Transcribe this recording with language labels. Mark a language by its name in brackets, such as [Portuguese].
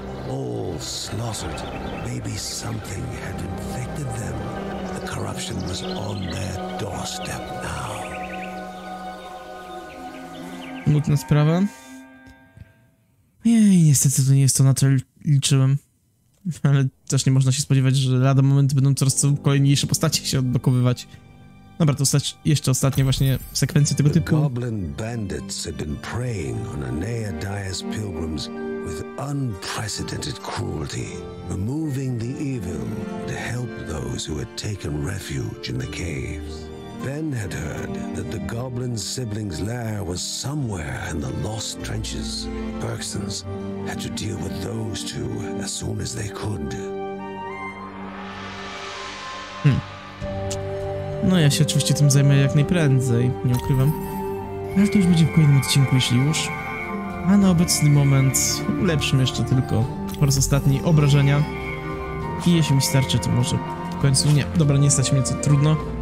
[English] All slaughtered. Maybe something had infected them. The corruption was on their doorstep now. [Polish] Smutna sprawa. Jej, niestety to nie jest to, na co liczyłem. Ale też nie można się spodziewać, że lada moment będą coraz co kolejniejsze postacie się odblokowywać. Dobra, to jeszcze ostatnie właśnie sekwencje tego typu. [English] Goblin bandits had been preying on Anaya Dyer's pilgrims with unprecedented cruelty. Removing the evil would help those who had taken refuge in the caves. Ben had heard that the goblin siblings' lair was somewhere in the lost trenches. Bergsons had to deal with those two as soon as they could. [Polish] No ja się oczywiście tym zajmę jak najprędzej, nie ukrywam. Ale to już będzie w kolejnym odcinku, jeśli już. A na obecny moment, lepszym jeszcze tylko po raz ostatni obrażenia. I jeśli mi starczy, to może w końcu nie. Dobra, nie stać mnie, co trudno.